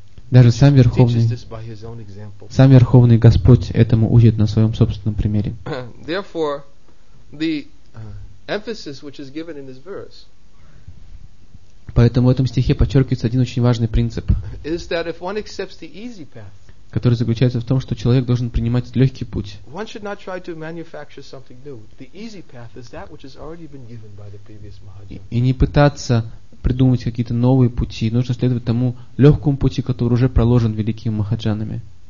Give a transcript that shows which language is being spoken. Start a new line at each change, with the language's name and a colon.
Russian: Даже сам Верховный Господь этому учит на своем собственном примере.
English: Therefore, the emphasis which is given in this verse.
Russian: Поэтому в этом стихе подчеркивается один очень важный принцип,
English: is that if one accepts the easy path,
Russian: который заключается в том, что человек должен принимать легкий путь. И не пытаться придумать какие-то новые пути. Нужно следовать тому легкому пути, который уже проложен великими махаджанами.